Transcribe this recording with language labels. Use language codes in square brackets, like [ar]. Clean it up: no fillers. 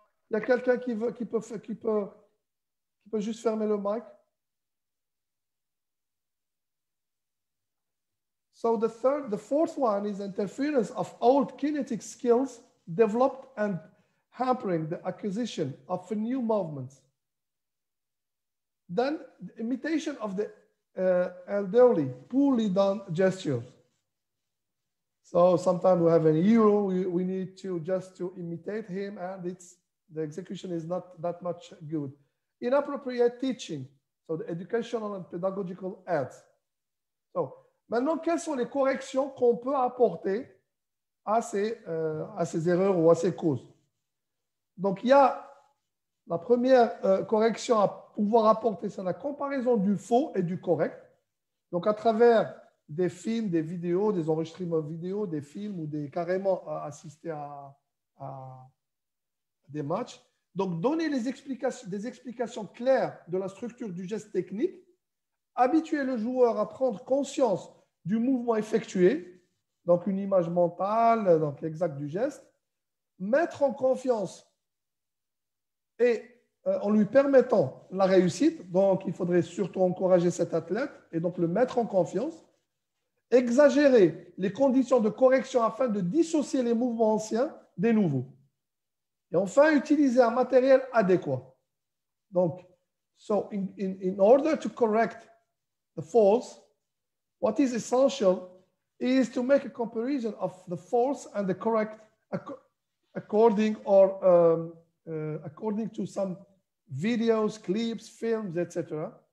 [fr] Il y a quelqu'un qui peut juste fermer le mic. [en] So the fourth one is interference of old kinetic skills developed and hampering the acquisition of new movements. Then the imitation of the elderly, poorly done gestures. So sometimes we have a hero, we need to just to imitate him and the execution is not that much good. Inappropriate teaching, so the educational and pedagogical aids. [fr] So, maintenant, quelles sont les corrections qu'on peut apporter à ces erreurs ou à ces causes? Donc, il y a la première correction à pouvoir apporter, c'est la comparaison du faux et du correct. Donc, à travers des films, des vidéos, des enregistrements vidéo, des films ou des carrément assister à des matchs. Donc, donner des explications claires de la structure du geste technique, habituer le joueur à prendre conscience du mouvement effectué, donc une image mentale, donc exacte du geste, mettre en confiance et en lui permettant la réussite, donc il faudrait surtout encourager cet athlète et donc le mettre en confiance, exagérer les conditions de correction afin de dissocier les mouvements anciens des nouveaux. Et enfin, utiliser un matériel adéquat. [en] Donc, so in order to correct the faults, what is essential is to make a comparison of the faults and the correct according to some videos, clips, films, etc.